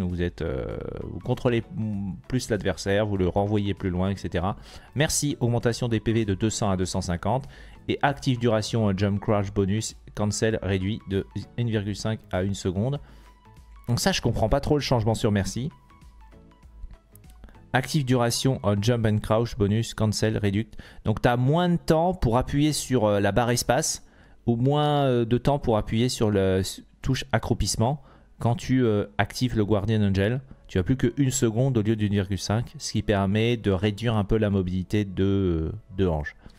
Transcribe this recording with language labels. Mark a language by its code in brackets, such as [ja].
[fr] Donc vous êtes, vous contrôlez plus l'adversaire, vous le renvoyez plus loin, etc. Merci, augmentation des PV de 200 à 250 et active duration jump crash bonus cancel réduit de 1,5 à 1 seconde. Donc ça, je comprends pas trop le changement sur Merci. [en] Active duration on jump and crouch bonus cancel reduct. [fr] Donc tu as moins de temps pour appuyer sur la barre espace ou moins de temps pour appuyer sur la touche accroupissement quand tu actives le Guardian Angel. Tu as plus qu'une seconde au lieu d'une 1,5, ce qui permet de réduire un peu la mobilité de Ange.